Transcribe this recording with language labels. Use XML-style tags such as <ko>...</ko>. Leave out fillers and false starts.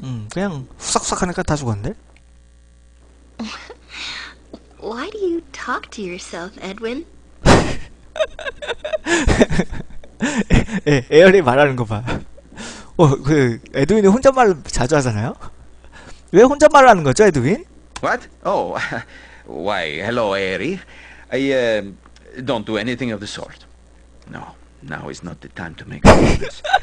<ko>그냥 후삭삭 하니까 다 죽었는데.</ko> <en>Why do you talk to yourself, Edwin?</en> <ko>에어리 말하는 거 봐. 에드윈이 혼잣말 자주 하잖아요. 왜 혼잣말을 하는 거죠, 에드윈?</ko> <en>What? Oh, why? Hello, Airy. I don't do anything of the sort. No, now is not the time to make comments.</en>